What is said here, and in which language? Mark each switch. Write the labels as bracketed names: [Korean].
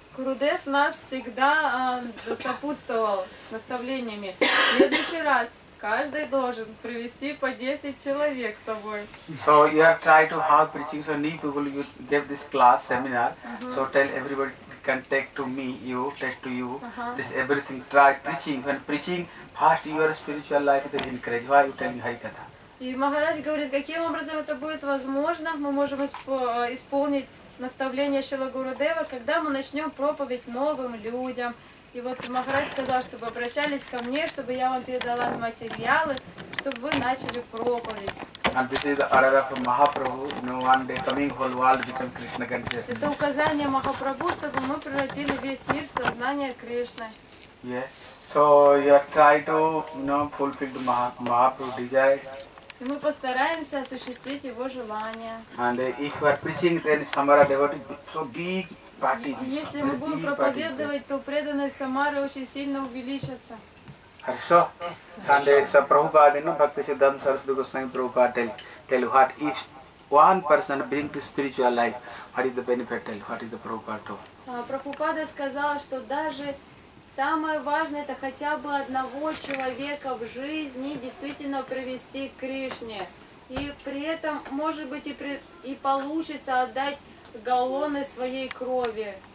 [Russian] Гурудев нас всегда сопутствовал наставлениями. В следующий раз каждый должен привести по 10 человек с собой. [English] So you have tried to have preaching, so new people you give this class seminar. So tell everybody can take to me, you take to you. This everything try preaching. When preaching, fast your spiritual life is encouraged. Why you tell me Harikatha? [Russian] И Махарадж говорит, каким образом это будет возможно? Мы можем исполнить наставление Шрилы Гурудева, когда мы начнем проповедь новым людям. И вот Махарадж сказал, чтобы обращались ко мне, чтобы я вам передала материалы, чтобы вы начали проповедь. [English] And this is the order of Mahaprabhu, no one day coming whole world become Krishna consciousness. [Russian] Это указание Махапрабху, чтобы мы превратили весь мир в сознание Кришны. [English] Yeah. So you try to, you know, fulfill the Mahaprabhu desire. [Russian] И мы постараемся осуществить его желание. [English] And if we are preaching, then Samara devotee, so big party. [Russian] Если мы будем проповедовать, то преданность Самары очень сильно увеличится. Хорошо. [English] And so Prabhupada, you know, Bhaktisiddhanta Saraswati Goswami Prabhupada tell you what if one person bring to spiritual life, what is the benefit, tell you, what is the Prabhupada to? [Russian] Прабхупада сказала, что даже самое важное – это хотя бы одного человека в жизни действительно привести к Кришне. И при этом, может быть, и получится отдать галлоны своей крови.